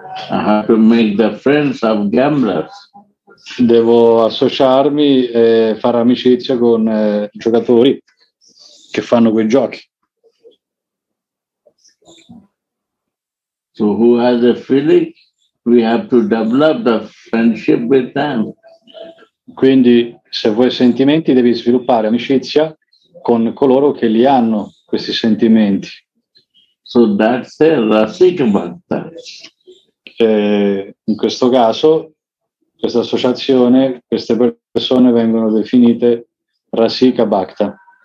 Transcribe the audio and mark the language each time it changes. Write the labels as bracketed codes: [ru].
[en] I have to make the friends of gamblers. [it] Devo associarmi e fare amicizia con giocatori che fanno quei giochi. [en] So who has a feeling, we have to develop the friendship with them. [it] Quindi, se vuoi sentimenti, devi sviluppare amicizia con coloro che li hanno, questi sentimenti. [en] So that's the Rasika Bhakta. [it] In questo caso, questa associazione, queste persone vengono definite Rasika Bhakta.